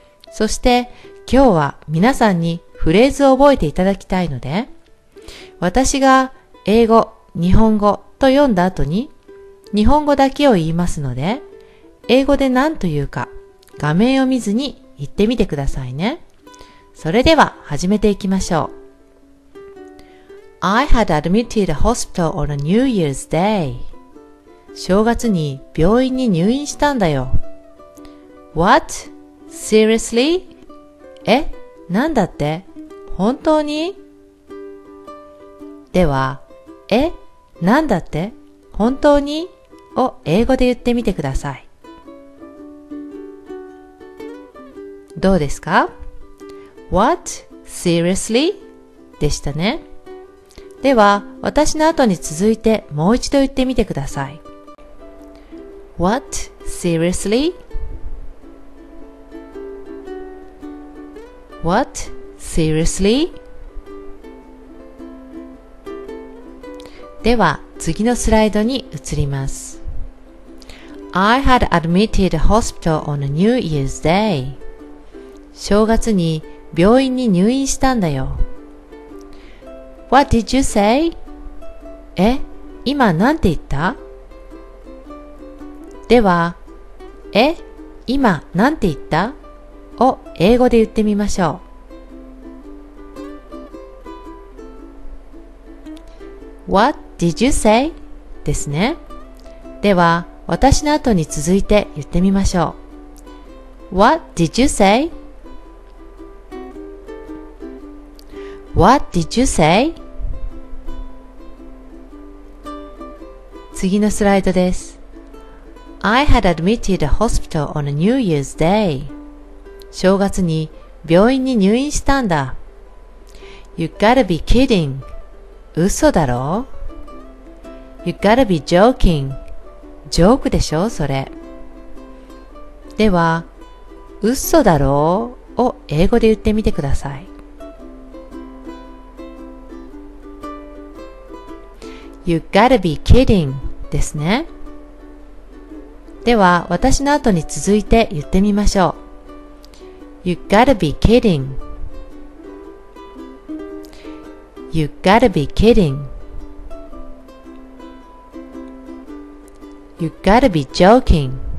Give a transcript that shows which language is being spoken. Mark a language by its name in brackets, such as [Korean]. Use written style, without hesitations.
[Japanese] そして今日は皆さんにフレーズを覚えていただきたいので、私が英語、日本語と読んだ後に日本語だけを言いますので、英語で何というか画面を見ずに言ってみてくださいね。それでは始めていきましょう。 [English] I had admitted a hospital on a New Year's Day. [Japanese] 正月に病院に入院したんだよ。 [English] What? Seriously? [Japanese] え?なんだって?本当に? では、え?なんだって?本当に? を英語で言ってみてください。どうですか? [English] What? Seriously? [Japanese] でしたね。では、私の後に続いてもう一度言ってみてください。 [English] What? Seriously? What? Seriously? [Japanese] では、次のスライドに移ります。 [English] I had admitted a hospital on a New Year's Day. [Japanese] 正月に病院に入院したんだよ。 [English] What did you say? [Japanese] え、今なんて言った? では、え、今なんて言った? を英語で言ってみましょう。 [English] What did you say? [Japanese] ですね。では、私の後に続いて言ってみましょう。 [English] What did you say? What did you say? [Japanese] 次のスライドです。 [English] I had admitted a hospital on a New Year's Day. [Japanese] 正月に病院に入院したんだ。 [English] You gotta be kidding. [Japanese] 嘘だろ? [English] You gotta be joking. [Japanese] ジョークでしょ、それ。では、嘘だろを英語で言ってみてください。 [English] You gotta be kidding [Japanese] ですね。では、私の後に続いて言ってみましょう。 [English] You gotta be kidding. You gotta be kidding. You gotta be joking.